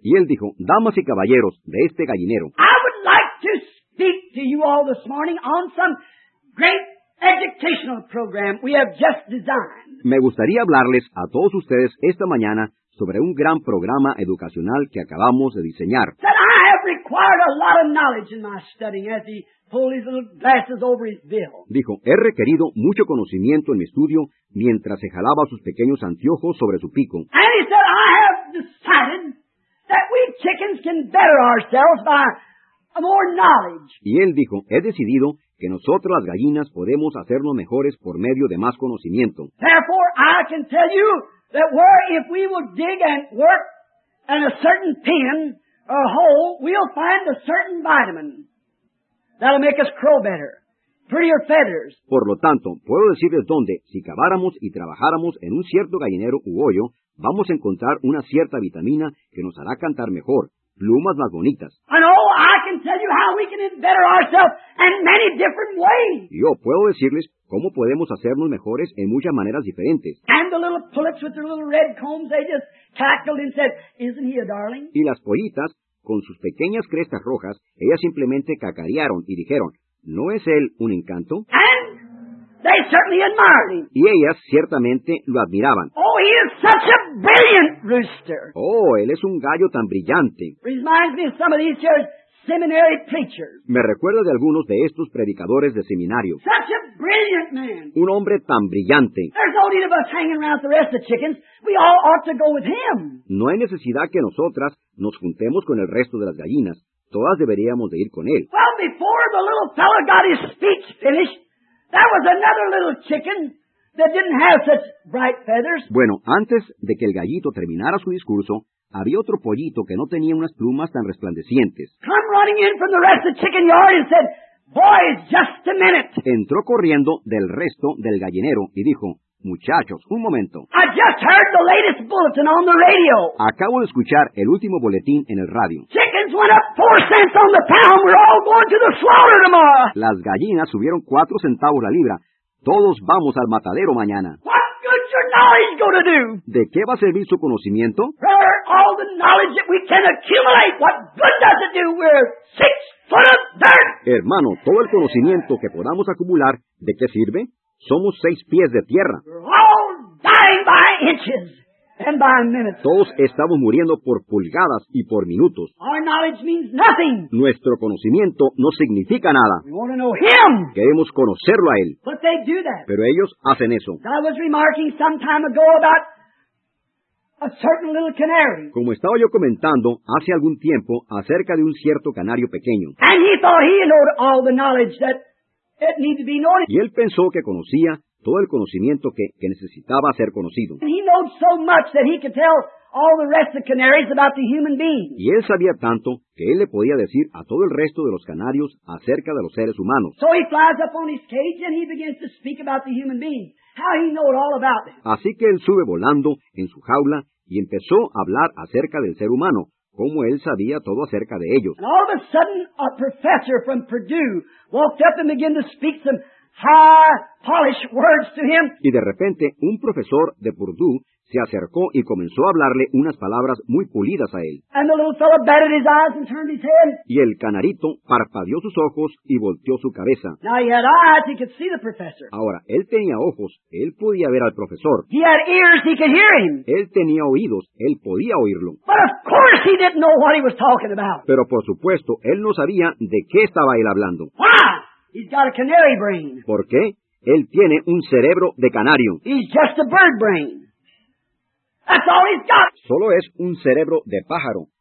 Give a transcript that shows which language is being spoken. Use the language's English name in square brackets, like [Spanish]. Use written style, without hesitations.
[Spanish] Y él dijo, damas y caballeros de este gallinero. [English] I would like to speak to you all this morning on some great educational program we have just designed. [Spanish] Me gustaría hablarles a todos ustedes esta mañana sobre un gran programa educacional que acabamos de diseñar. [English] That I have required a lot of knowledge in my studying as he pulled his little glasses over his bill. [Spanish] Dijo, he requerido mucho conocimiento en mi estudio mientras se jalaba sus pequeños anteojos sobre su pico. [English] And he said, I have decided that we chickens can better ourselves by more knowledge. [Spanish] Y él dijo, he decidido que nosotros las gallinas podemos hacernos mejores por medio de más conocimiento. [English] Therefore, I can tell you that if we will dig and work in a certain pen or hole, we'll find a certain vitamin that'll make us crow better. Prettier feathers. [Spanish] Por lo tanto, puedo decirles dónde, si caváramos y trabajáramos en un cierto gallinero u hoyo, vamos a encontrar una cierta vitamina que nos hará cantar mejor, plumas más bonitas. [English] And oh, I can tell you how we can better ourselves in many different ways. [Spanish] Yo puedo decirles cómo podemos hacernos mejores en muchas maneras diferentes. [English] And the little pullets with their little red combs, they just cackled and said, isn't he a darling? [Spanish] Y las pollitas, con sus pequeñas crestas rojas, ellas simplemente cacarearon y dijeron, ¿no es él un encanto? [English] And They certainly admired him. [Spanish] Y ellas ciertamente lo admiraban. [English] Oh, he is such a brilliant rooster. [Spanish] Oh, él es un gallo tan brillante. [English] Reminds me of some of these years. Seminary preachers. [Spanish] Me recuerda de algunos de estos predicadores de seminario. [English] Such a brilliant man. [Spanish] Un hombre tan brillante. [English] There's no need of us hanging around the rest of the chickens. We all ought to go with him. [Spanish] No hay necesidad que nosotras nos juntemos con el resto de las gallinas. Todas deberíamos de ir con él. [English] Well, before the little fellow got his speech finished, there was another little chicken that didn't have such bright feathers. [Spanish] Bueno, antes de que el gallito terminara su discurso, había otro pollito que no tenía unas plumas tan resplandecientes. [English] Come running in from the rest of the chicken yard and said, "Boys, just a minute." [Spanish] Entró corriendo del resto del gallinero y dijo, "Muchachos, un momento." [English] I just heard the latest bulletin on the radio. [Spanish] Acabo de escuchar el último boletín en el radio. [English] Chickens went up 4 cents on the pound. We're all going to the slaughter tomorrow. [Spanish] Las gallinas subieron 4 centavos la libra. Todos vamos al matadero mañana. [English] What good your knowledge going to do? [Spanish] ¿De qué va a servir su conocimiento? [English] All the knowledge that we can accumulate, what good does it do? We're 6 foot of dirt. [Spanish] Hermano, todo el conocimiento que podamos acumular, ¿de qué sirve? Somos 6 pies de tierra. [English] We're all dying by inches and by minutes. [Spanish] Todos estamos muriendo por pulgadas y por minutos. [English] Our knowledge means nothing. [Spanish] Nuestro conocimiento no significa nada. [English] We want to know him. [Spanish] Queremos conocerlo a él. [English] But they do that. [Spanish] Pero ellos hacen eso. [English] I was remarking some time ago about a certain little canary. [Spanish] Como estaba yo comentando hace algún tiempo acerca de un cierto canario pequeño. [English] And he thought he knew all the knowledge that it needed to be known. [Spanish] Y él pensó que conocía todo el conocimiento que necesitaba ser conocido. [English] And he knew so much that he could tell all the rest of canaries about the human being. [Spanish] Y él sabía tanto que él le podía decir a todo el resto de los canarios acerca de los seres humanos. [English] So he flies up on his cage and he begins to speak about the human being. How he knew it all about them. [Spanish] Así que él sube volando en su jaula y empezó a hablar acerca del ser humano, cómo él sabía todo acerca de ellos. [English] And all of a sudden, a professor from Purdue walked up and began to speak some high, polished words to him. [Spanish] Y de repente, un profesor de Purdue se acercó y comenzó a hablarle unas palabras muy pulidas a él. [English] And the little fellow batted his eyes and turned his head. [Spanish] Y el canarito parpadeó sus ojos y volteó su cabeza. [English] Now he had eyes, he could see the professor. [Spanish] Ahora, él tenía ojos, él podía ver al profesor. [English] He had ears, he could hear him. [Spanish] Él tenía oídos, él podía oírlo. [English] But of course he didn't know what he was talking about. [Spanish] Pero por supuesto, él no sabía de qué estaba él hablando. [English] Why? He's got a canary brain. [Spanish] ¿Por qué? Él tiene un cerebro de canario. [English] He's just a bird brain. That's all he's got. [Spanish] Solo es un cerebro de pájaro.